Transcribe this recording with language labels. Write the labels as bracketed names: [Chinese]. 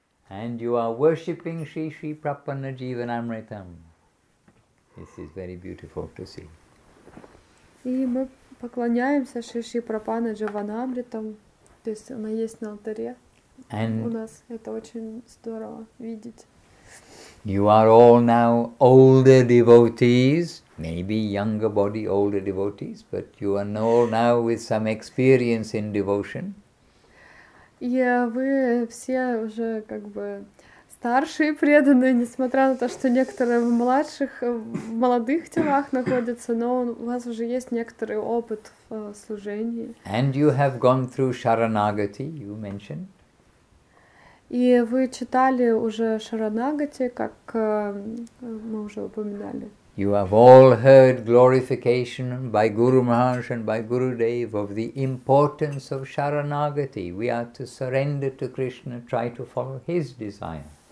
[English] And you are worshipping Sri Sri Prapanna Jivanamritam. This is very beautiful to see. [Russian] И мы поклоняемся Шри Шри Прапанна Джаванамритам, то есть она есть на алтаре. [English] And [Russian] у нас это очень здорово видеть. [English] You are all now older devotees, maybe younger body older devotees, but you are all now with some experience in devotion. [Russian] И вы все уже как бы старшие преданные, несмотря на то, что некоторые в младших, в молодых телах находятся, но у вас уже есть некоторый опыт в служении. [English] And you have gone through Sharanagati, you mentioned. [Russian] И вы читали уже Шаранагати, как мы уже упоминали. [English] You have all heard glorification by Guru Maharaj and by Guru Dev of the importance of Sharanagati. We are to surrender to Krishna, try to follow His desire.